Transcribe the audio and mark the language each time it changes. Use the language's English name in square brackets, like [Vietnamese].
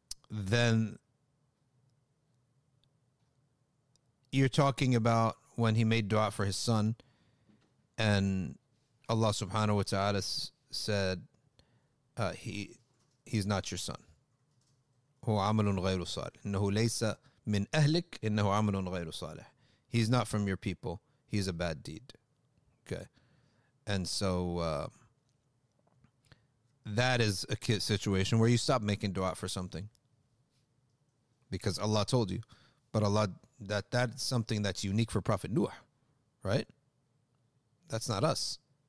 [English] Then you're talking about when he made dua for his son and Allah subhanahu wa ta'ala said he's not your son. [Arabic] هو عمل غير صالح إنه ليس من أهلك إنه عمل غير صالح. [English] He's not from your people. He's a bad deed. Okay. And so that is a situation where you stop making dua for something because Allah told you. But Allah, that's something that's unique for Prophet Nuh, right? That's not us.